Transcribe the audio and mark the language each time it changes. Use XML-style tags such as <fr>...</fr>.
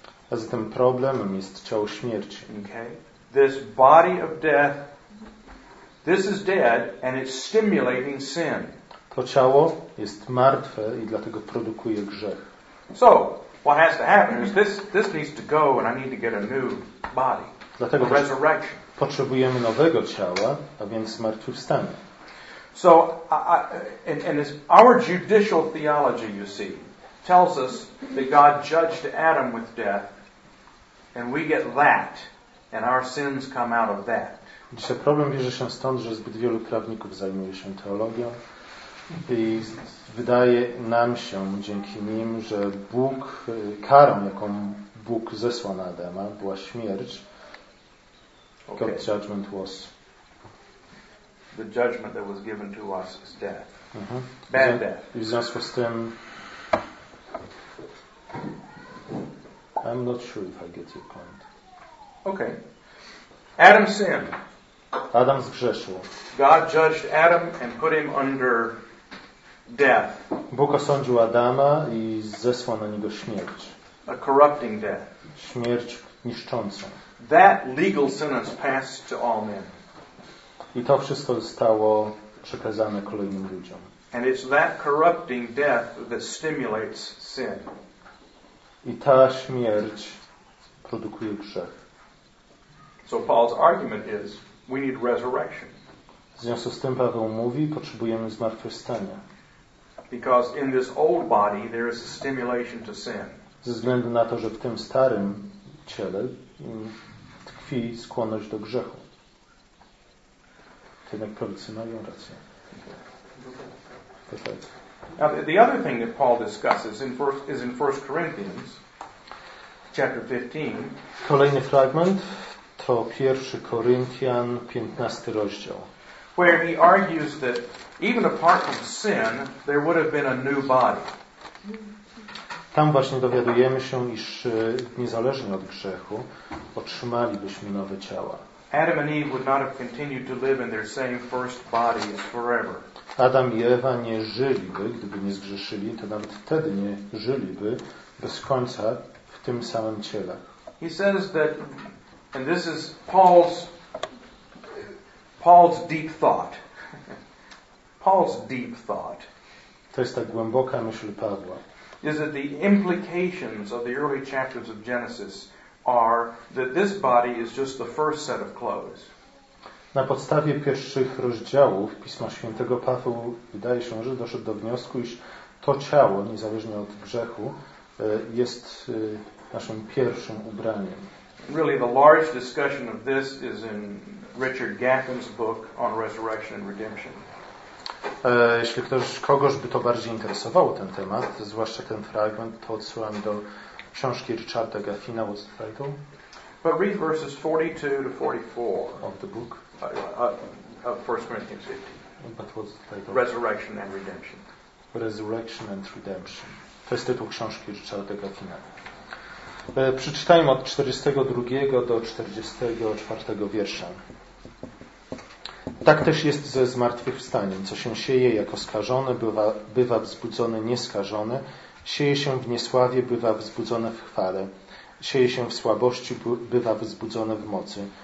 <pl>A zatem problemem jest ciało śmierci.</pl> <en>Okay. This body of death, this is dead and it's stimulating sin.</en> <pl>To ciało jest martwe i dlatego produkuje grzech.</pl> <en>So, what has to happen is this needs to go and I need to get a new body.</en> <pl>Dlatego</pl> <en>resurrection.</en> <pl>Potrzebujemy nowego ciała, a więc zmartwychwstania.</pl> <en>So, and it's our judicial theology, you see, tells us that God judged Adam with death, and we get that, and our sins come out of that.</en> <pl>Dzisiaj problem bierze się stąd, że zbyt wielu prawników zajmuje się teologią i wydaje nam się dzięki nim, że Bóg, karą, jaką Bóg zesłał na Adama, była śmierć.</pl> <en>Okay. God's judgment was. The judgment that was given to us is death. Mm-hmm. Bad death.</en> <pl>W związku z tym,</pl> <en>I'm not sure if I get your point. Okay. Adam sinned.</en> <pl>Adam zgrzeszył.</pl> <en>God judged Adam and put him under death.</en> <pl>Bóg osądził Adama i zesłał na niego śmierć.</pl> <en>A corrupting death.</en> <pl>Śmierć niszczącą.</pl> <en>That legal sentence passed to all men.</en> <pl>I to wszystko zostało przekazane kolejnym ludziom.</pl> <en>And it's that corrupting death that stimulates sin.</en> <pl>I ta śmierć produkuje grzech.</pl> <en>So Paul's argument is we need resurrection.</en> <pl>W związku z tym Paweł mówi, potrzebujemy zmartwychwstania.</pl> <en>Because in this old body there is a stimulation to sin.</en> <pl>Ze względu na to, że w tym starym ciele tkwi skłonność do grzechu. Jednak prawicy mają rację.</pl> <en>Now, the other thing that Paul discusses is in 1 Corinthians chapter 15.</en> <pl>Kolejny fragment to 1 Koryntian 15 rozdział.</pl> <en>Where he argues that even apart from sin there would have been a new body.</en> <pl>Tam właśnie dowiadujemy się, iż niezależnie od grzechu otrzymalibyśmy nowe ciała.</pl> <en>Adam and Eve would not have continued to live in their same first bodies forever.</en> <pl>Adam i Ewa nie żyliby, gdyby nie zgrzeszyli, to nawet wtedy nie żyliby bez końca w tym samym ciele.</pl> <en>He says that, and this is Paul's deep thought. Paul's deep thought.</en> <pl>To jest ta głęboka myśl Pawła.</pl> <en>Is that the implications of the early chapters of Genesis are that this body is just the first set of clothes.</en> <pl>Na podstawie pierwszych rozdziałów Pisma Świętego Paweł wydaje się, że doszedł do wniosku, iż to ciało, niezależnie od grzechu, jest naszym pierwszym ubraniem.</pl> <en>Really the large discussion of this is in Richard Gaffin's book on resurrection and redemption.</en> <pl>Jeśli kogoś by to bardziej interesowało ten temat, zwłaszcza ten fragment, to odsyłam do książki Richarda Gaffina.</pl> <en>What's the title? But read verses 42-44 of the book of 1 Corinthians 15. But what's the title? Resurrection and Redemption. Resurrection and Redemption.</en> <pl>To jest tytuł książki Richarda Gaffina. Przeczytajmy od 42 do 44 wiersza. Tak też jest ze zmartwychwstaniem. Co się sieje jako skażone, bywa wzbudzone nieskażone. Sieje się w niesławie, bywa wzbudzone w chwale. Sieje się w słabości, bywa wzbudzone w mocy.</pl>